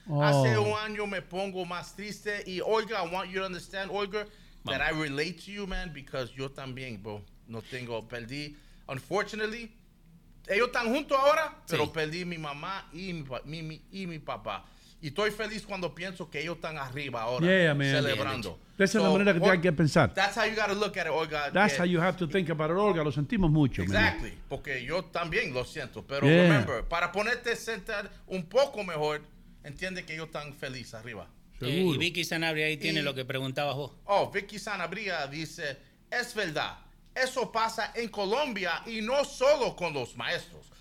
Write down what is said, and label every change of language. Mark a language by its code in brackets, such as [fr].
[es] Oh. Hace un año me pongo más triste. Y Olga, [en] I want you to understand, Olga, that I relate to you, man, because [es] yo también, bro, no tengo, perdí. [en] Unfortunately, [es] ellos están juntos ahora, pero perdí mi mamá y mi papá. Y estoy feliz cuando pienso que ellos están arriba ahora, celebrando. Esa es la manera que hay que pensar. [en] That's how you got to look at it, Olga. How you have to think about it, Olga. [es] Lo sentimos mucho. [en] Exactly. Man. [es] Porque yo también lo siento. Pero [en] remember, [es] para ponerte sentar un poco mejor, entiende que ellos están felices arriba. Y Vicky Sanabria ahí tiene lo que preguntabas vos. Oh, Vicky Sanabria dice, es verdad. Eso pasa en Colombia y no solo con los maestros.